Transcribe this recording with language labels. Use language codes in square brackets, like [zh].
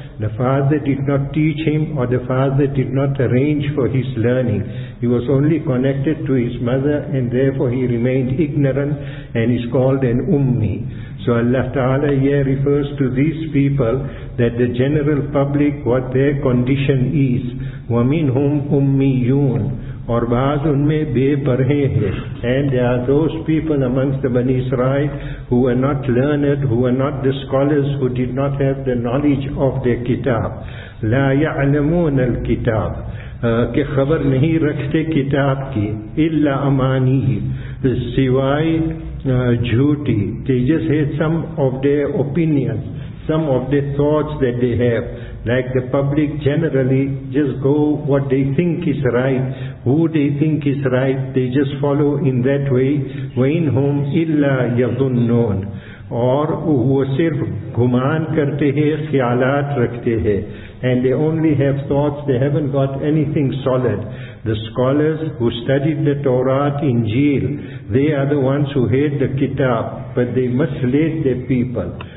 [en] The father did not teach him, or the father did not arrange for his learning. He was only connected to his mother, and therefore he remained ignorant and is called an ummi. So Allah Ta'ala here refers to these people, that the general public, what their condition is. [ar] وَمِنْهُمْ أُمِّيُّونَ [ur] اور بعض ان میں بے پرہے ہیں. [en] And there are those people amongst the Bani Israel who were not learned, who were not the scholars, who did not have the knowledge of their kitab. [ar] لَا يَعْلَمُونَ الْكِتَابِ [ur] کہ خبر نہیں رکھتے کتاب کی. [ar] إِلَّا أَمَانِي [ur] سِوَائِ جھوٹی. [en] They just had some of their opinions, some of their thoughts that they have. Like the public generally just go what they think is right, who they think is right, they just follow in that way. [ar] وَإِنْ هُمْ إِلَّا يَظُنُّونَ [ur] اور وہ صرف گمان کرتے ہیں, خیالات رکھتے ہیں. [en] And they only have thoughts, they haven't got anything solid. The scholars who studied the Torah, Injil, they are the ones who hate the Kitab, but they mislead their people.